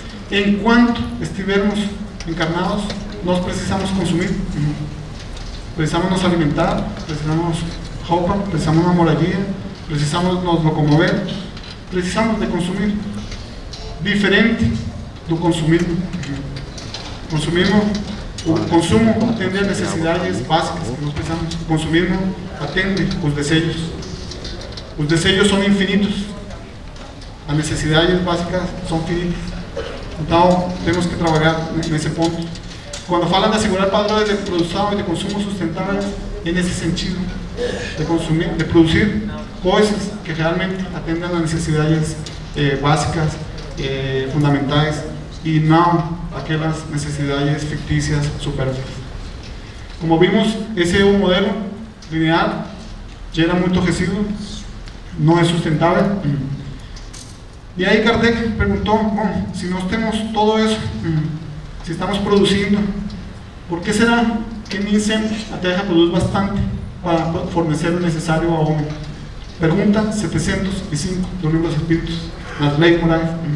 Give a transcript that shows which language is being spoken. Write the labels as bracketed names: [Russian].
[Spanish] En cuanto estivemos encarnados, nos precisamos consumir, precisamos nos alimentar, precisamos ropa, precisamos una moradía, precisamos nos locomover, precisamos de consumir, diferente del consumismo. Consumismo, o consumo atiende a necesidades básicas que nos precisamos. Consumismo atiende los deseos. Los deseos son infinitos. las necesidades básicas son finitas. [Portuguese] Então, temos que trabalhar nesse ponto. Quando falam de assegurar padrões de produção e de consumo sustentáveis, é nesse sentido de consumir, de produzir coisas que realmente atendam às necessidades básicas, fundamentais, e não aquelas necessidades fictícias, supérfluas. Como vimos, esse é um modelo lineal, gera muito resíduo, não é sustentável. [Spanish] Y ahí Kardec preguntó, bueno, si no tenemos todo eso, si estamos produciendo, ¿por qué será que en incendio la tierra produce bastante para fornecer lo necesario a hombre? Pregunta 705 de los espíritus, las leyes morales.